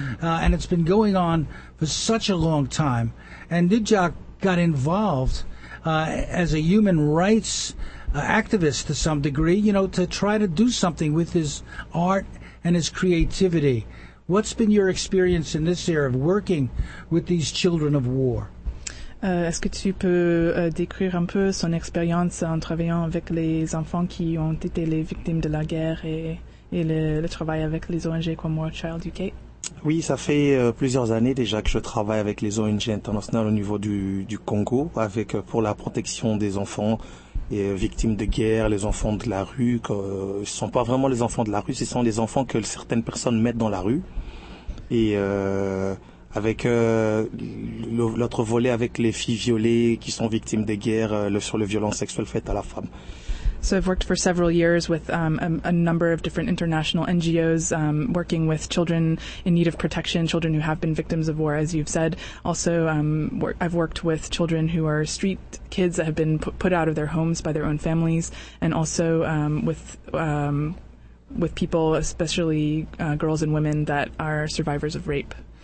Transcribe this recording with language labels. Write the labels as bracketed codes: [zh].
[en] And it's been going on for such a long time. And Nidjak got involved as a human rights activist to some degree, you know, to try to do something with his art and his creativity. What's been your experience in this era of working with these children of war? [fr] Est-ce que tu peux décrire un peu son expérience en travaillant avec les enfants qui ont été les victimes de la guerre et le travail avec les ONG comme War Child UK? Oui, ça fait plusieurs années déjà que je travaille avec les ONG internationales au niveau du Congo, avec pour la protection des enfants et victimes de guerre, les enfants de la rue. Ce ne sont pas vraiment les enfants de la rue, ce sont les enfants que certaines personnes mettent dans la rue. Et avec l'autre volet, avec les filles violées qui sont victimes des guerres sur le violence sexuelle faite à la femme. [en] So I've worked for several years with a number of different international NGOs, working with children in need of protection, children who have been victims of war, as you've said. Also, I've worked with children who are street kids that have been put out of their homes by their own families, and also with people, especially girls and women, that are survivors of rape.